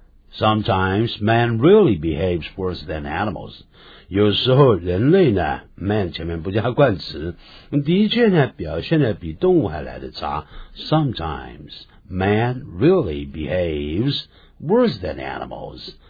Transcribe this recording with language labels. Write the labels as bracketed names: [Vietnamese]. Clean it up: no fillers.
[English] Sometimes man really behaves worse than animals. [Chinese] 有时候人类呢 ,man 前面不加冠词的确呢表现得比动物还来得差。 [English] Sometimes man really behaves worse than animals.